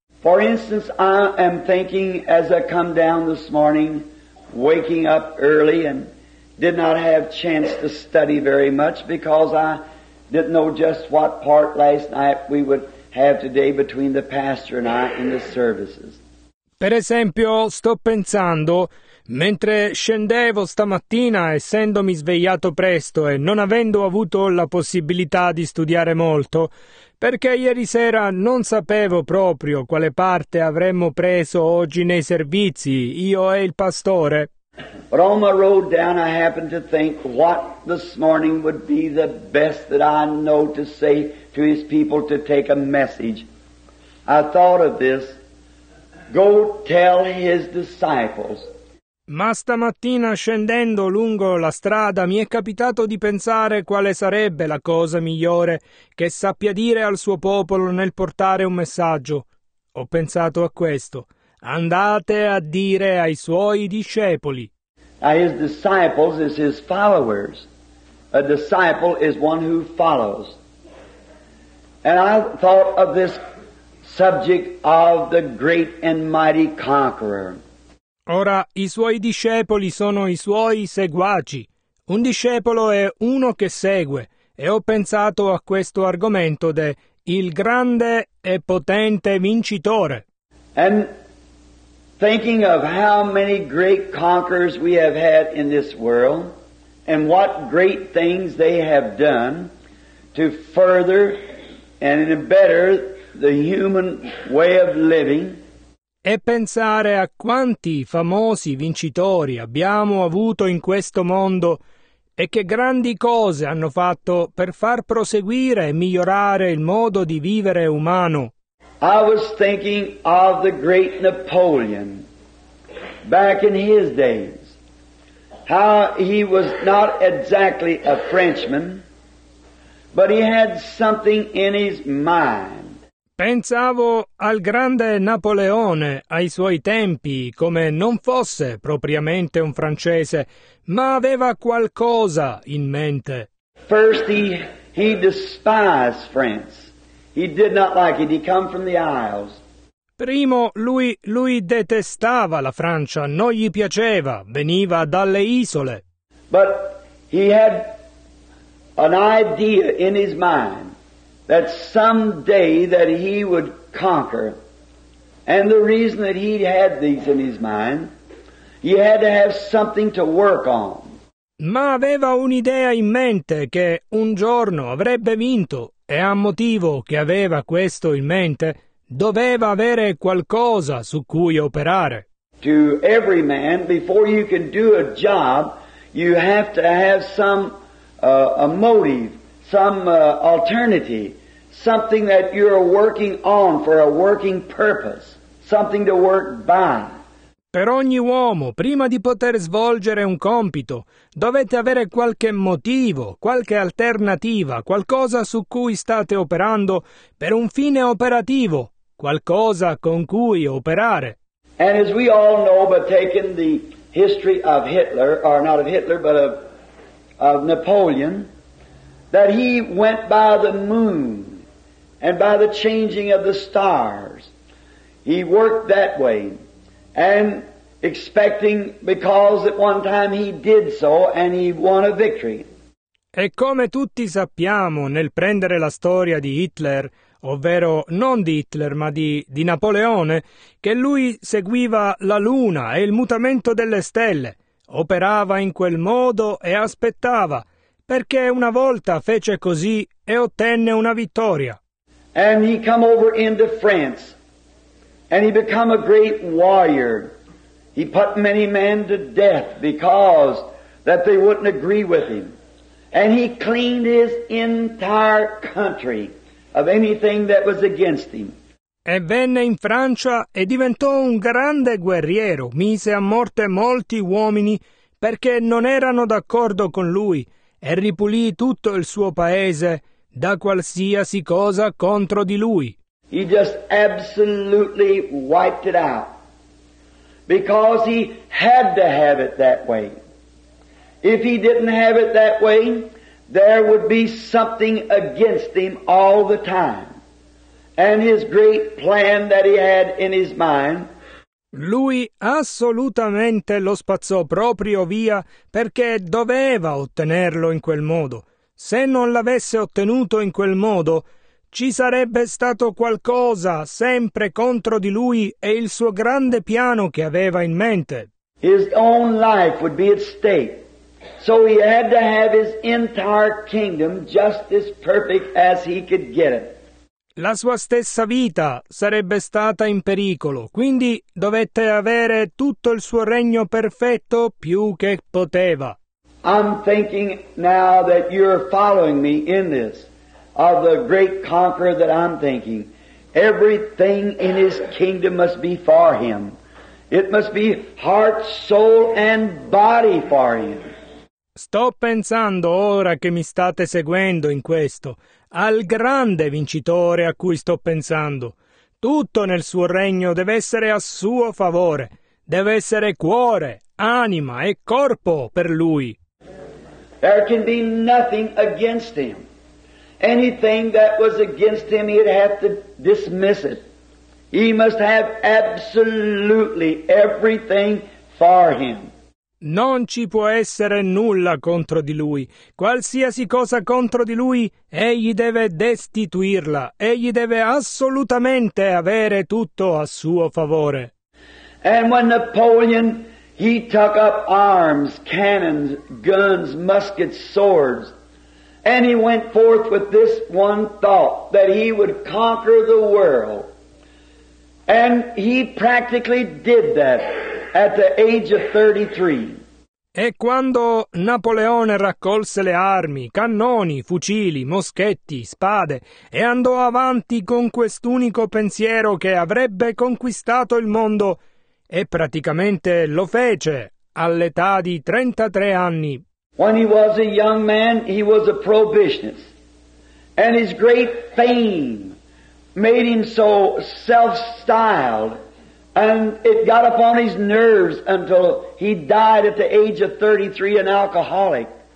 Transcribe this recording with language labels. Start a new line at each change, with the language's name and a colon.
English: For instance, I am thinking as I come down this morning, waking up early and did not have chance to study very much because I didn't know just what part last night we would have today between the pastor and I in the services.
Italian: Per esempio, sto pensando, mentre scendevo stamattina, essendomi svegliato presto e non avendo avuto la possibilità di studiare molto, perché ieri sera non sapevo proprio quale parte avremmo preso oggi nei servizi, io e il pastore.
English: But on my road down I happened to think what this morning would be the best that I know to say to his people to take a message. I thought of this. Go tell his disciples.
Italian: Ma stamattina scendendo lungo la strada mi è capitato di pensare quale sarebbe la cosa migliore che sappia dire al suo popolo nel portare un messaggio. Ho pensato a questo. Andate a dire ai suoi discepoli.
English: Now his disciples is his followers. A disciple is one who follows. And I thought of this subject of the great and mighty conqueror.
Italian: Ora, i suoi discepoli sono i suoi seguaci. Un discepolo è uno che segue, e ho pensato a questo argomento de il grande e potente vincitore.
English: And thinking of how many great conquerors we have had in this world, and what great things they have done to further and better the human way of living.
Italian: E pensare a quanti famosi vincitori abbiamo avuto in questo mondo e che grandi cose hanno fatto per far proseguire e migliorare il modo di vivere umano.
English: I was thinking of the great Napoleon back in his days, how he was not exactly a Frenchman, but he had something in his mind.
Italian: Pensavo al grande Napoleone ai suoi tempi, come non fosse propriamente un francese, ma aveva qualcosa in mente.
English: First he despised France. He did not like it. He come from the Isles.
Italian: Primo, lui detestava la Francia, non gli piaceva, veniva dalle isole.
English: But he had an idea in his mind that someday that he would conquer. And the reason that he had these in his mind, he had to have something to work on.
Italian: Ma aveva un'idea in mente che un giorno avrebbe vinto, e a motivo che aveva questo in mente, doveva avere qualcosa su cui operare.
English: To every man, before you can do a job, you have to have some a motive. Some alternative, something that you're working on for a working purpose, something to work by.
Italian: Per ogni uomo, prima di poter svolgere un compito, dovete avere qualche motivo, qualche alternativa, qualcosa su cui state operando per un fine operativo, qualcosa con cui operare.
English: And as we all know, but taking the history of Hitler, or not of Hitler, but of Napoleon, that he went by the moon and by the changing of the stars. He worked that way, and expecting, because at one time he did so, and he won a victory.
Italian: E come tutti sappiamo, nel prendere la storia di Hitler, ovvero non di Hitler, ma di Napoleone, che lui seguiva la luna e il mutamento delle stelle, operava in quel modo e aspettava, perché una volta fece così e ottenne una vittoria.
English: And he come over into France, and he become a great warrior, He put many men to death because that they wouldn't agree with him. And he cleaned his entire country of anything that was against him.
Italian: E venne in Francia e diventò un grande guerriero, mise a morte molti uomini perché non erano d'accordo con lui e ripulì tutto il suo paese da qualsiasi cosa contro di lui.
English: He just absolutely wiped it out because he had to have it that way. If he didn't have it that way, there would be something against him all the time. And his great plan that he had in his mind.
Italian: Lui assolutamente lo spazzò proprio via perché doveva ottenerlo in quel modo. Se non l'avesse ottenuto in quel modo, ci sarebbe stato qualcosa sempre contro di lui e il suo grande piano che aveva in mente.
English: His own life would be at stake. So he had to have his entire kingdom just as perfect as he could get it.
Italian: La sua stessa vita sarebbe stata in pericolo, quindi dovette avere tutto il suo regno perfetto più che poteva.
English: I'm thinking now that you're following me in this, of the great conqueror that I'm thinking. Everything in his kingdom must be for him. It must be heart, soul and body for him.
Italian: Sto pensando ora che mi state seguendo in questo, al grande vincitore a cui sto pensando. Tutto nel suo regno deve essere a suo favore. Deve essere cuore, anima e corpo per lui.
English: There can be nothing against him. Anything that was against him, he'd have to dismiss it. He must have absolutely everything for him.
Italian: Non ci può essere nulla contro di lui. Qualsiasi cosa contro di lui, egli deve destituirla. Egli deve assolutamente avere tutto a suo favore.
English: And when Napoleon, he took up arms, cannons, guns, muskets, swords, and he went forth with this one thought, that he would conquer the world. And he practically did that. At the age of 33.
Italian: E quando Napoleone raccolse le armi, cannoni, fucili, moschetti, spade, e andò avanti con quest'unico pensiero che avrebbe conquistato il mondo, e praticamente lo fece all'età di 33 anni.
English: When he was a young man, he was a prohibitionist, and his great fame made him so self-styled. And it got upon his nerves until he died at the age of 33, an alcoholic.